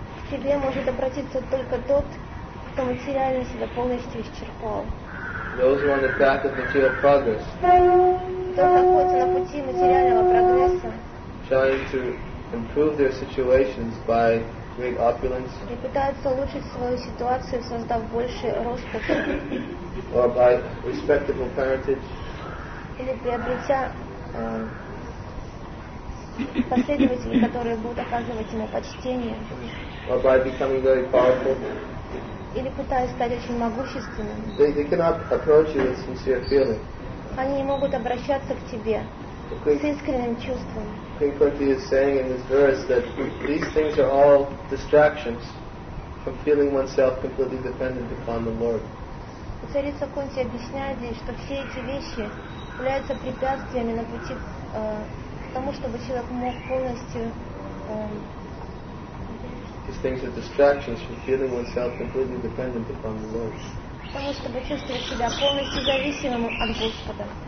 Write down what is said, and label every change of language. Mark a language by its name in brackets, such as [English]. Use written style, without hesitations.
[Russian] К тебе может обратиться только тот, кто материально себя полностью исчерпал. [English] Those who are on the path of material progress. [Russian] Кто находится на пути материального прогресса. [English] Trying to improve their situations by great opulence. [Russian] И пытаются улучшить свою ситуацию, создав больше роскоши. [English] Or by respectable parentage. [Russian] Или приобретя последователей, которые будут оказывать ему почтение. [English] Or by becoming very powerful. [Russian] Или пытаясь стать очень могущественным. [English] They cannot approach you with sincere feeling. [Russian] Они не могут обращаться к тебе с искренним чувством. [English] Queen Kunti is saying in this verse that these things are all distractions from feeling oneself completely dependent upon the Lord. [Russian] Царица Кунти объясняет здесь, что все эти вещи являются препятствиями на пути к тому, чтобы человек мог полностью [English] these things are distractions from feeling oneself completely dependent upon the Lord. [Russian] Потому чтобы чувствовать себя полностью зависимым от Господа.